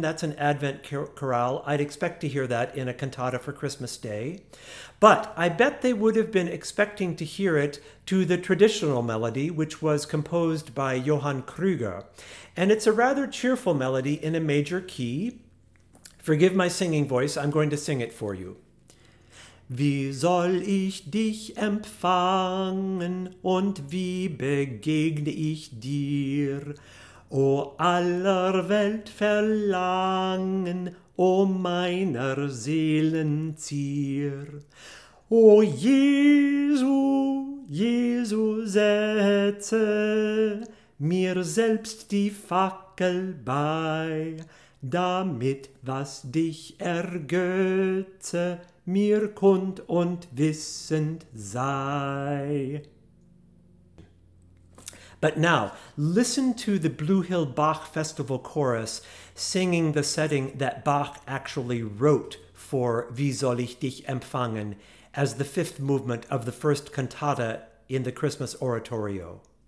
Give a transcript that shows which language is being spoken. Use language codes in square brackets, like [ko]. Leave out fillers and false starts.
[en] That's an Advent chorale. I'd expect to hear that in a cantata for Christmas Day. But I bet they would have been expecting to hear it to the traditional melody, which was composed by Johann Krüger. And it's a rather cheerful melody in a major key. Forgive my singing voice, I'm going to sing it for you. [de] Wie soll ich dich empfangen und wie begegne ich dir? O aller Welt Verlangen, O meiner Seelen Zier. O Jesu, Jesu, setze mir selbst die Fackel bei, damit, was dich ergötze, mir kund und wissend sei. [en] But now, listen to the Blue Hill Bach Festival chorus singing the setting that Bach actually wrote for Wie soll ich dich empfangen as the 5th movement of the first cantata in the Christmas oratorio.